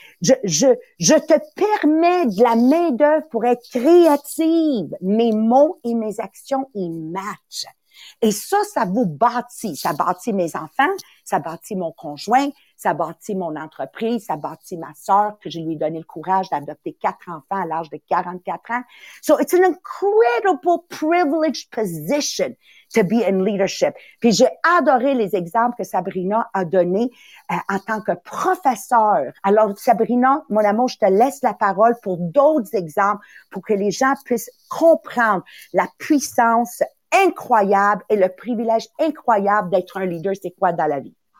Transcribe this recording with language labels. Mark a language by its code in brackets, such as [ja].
[fr] Je te permets de la main-d'œuvre pour être créative. Mes mots et mes actions, ils matchent. Et ça vous bâtit. Ça bâtit mes enfants, ça bâtit mon conjoint, ça bâtit mon entreprise, ça bâtit ma sœur, que je lui ai donné le courage d'adopter 4 enfants à l'âge de 44 ans. [en] So it's an incredible privileged position to be in leadership. [fr] Puis j'ai adoré les exemples que Sabrina a donné en tant que professeure. Alors Sabrina, mon amour, je te laisse la parole pour d'autres exemples pour que les gens puissent comprendre la puissance incroyable et le privilège incroyable d'être un leader, c'est quoi dans la vie?